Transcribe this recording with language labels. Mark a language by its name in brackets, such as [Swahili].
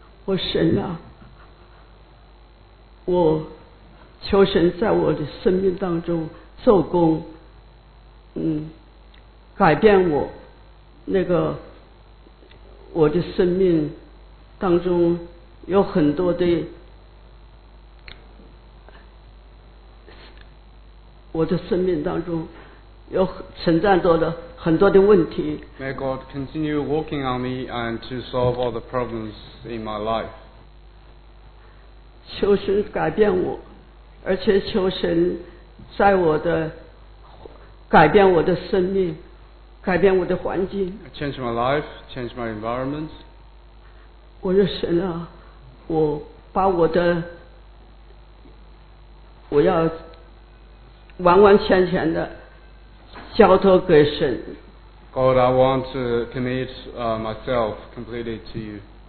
[Chinese] 我神啊，我求神在我的生命当中做工，改变我那个我的生命当中有很多的我的生命当中有存在着的很多的问题。 [English] May God continue working on me and to solve all the problems in my life. [Chinese] 求神改变我，而且求神在我的改变我的生命，改变我的环境。 [English] Change my life, change my environment. [Chinese] 我的神啊，我把我的我要完完全全的交托给神。 [English] God, I want to commit myself completely to you.